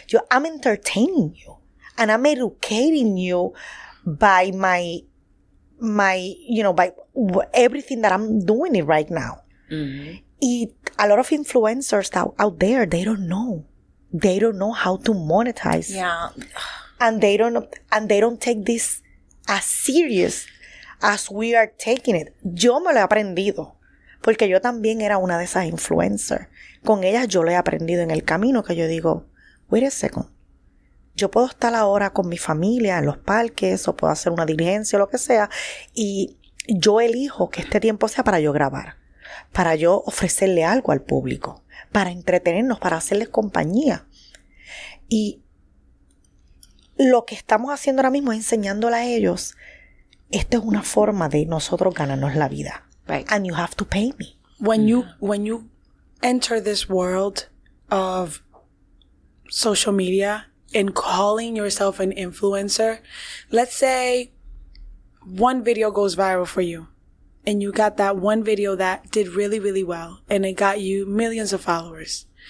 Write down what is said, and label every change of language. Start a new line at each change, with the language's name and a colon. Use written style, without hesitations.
English: I'm entertaining you. And I'm educating you by my everything that I'm doing it right now. Mm-hmm. A lot of influencers out there, they don't know. They don't know how to monetize. Yeah. And they don't take this as serious as we are taking it.
Spanish: Yo me lo he aprendido. Porque yo también era una de esas influencers. Con ellas yo lo he aprendido en el camino que yo digo,
English: wait a second.
Spanish: Yo puedo estar ahora con mi familia en los parques o puedo hacer una diligencia o lo que sea. Y yo elijo que este tiempo sea para yo grabar, para yo ofrecerle algo al público, para entretenernos, para hacerles compañía. Y lo que estamos haciendo ahora mismo es enseñándole a ellos, esta es una forma de nosotros ganarnos la vida.
English: Right. And you have to pay me. When you enter this world of social media and calling yourself an influencer, let's say one video goes viral for you. And you got that one video that did really, really well. And it got you millions of followers.